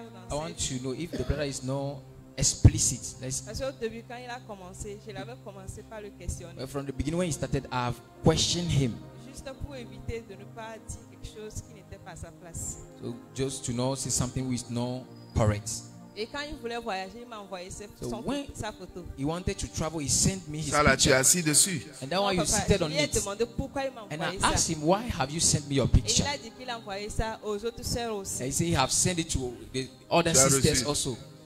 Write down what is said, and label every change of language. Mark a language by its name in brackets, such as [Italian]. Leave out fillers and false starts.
[English] I want to know if the brother is not explicit. Well, from the beginning when he started, I've questioned him. [French] Juste pour éviter de ne pas dire quelque chose qui n'était pas à sa place. [English] So just to know, see something which is not correct. [French] Et quand il voulait voyager, il m'a envoyé sa photo. [English] He wanted to travel, he sent me his [French] picture. Tu es assis dessus. [English] And that one you seated on it. [French] Demandé pourquoi il m'a envoyé ça. [English] And I asked him, why have you sent me your picture? [French] Et il a dit qu'il a envoyé ça aux autres sœurs aussi. [English] And he said he have sent it to the other sisters also.